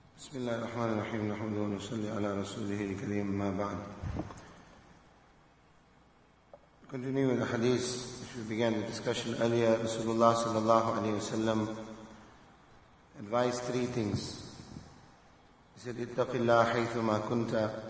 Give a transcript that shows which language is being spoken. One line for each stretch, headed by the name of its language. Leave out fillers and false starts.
Arabic: بسم الله الرحمن الرحيم، نحمده ونصلي على رسوله الكريم، ما بعد.
English: Continuing with the hadith, which we began the discussion earlier, Rasulullah sallallahu alayhi wa sallam advised three things. He said,
Arabic: اتَّقِ اللَّهَ حَيْثُمَا كُنْتَ.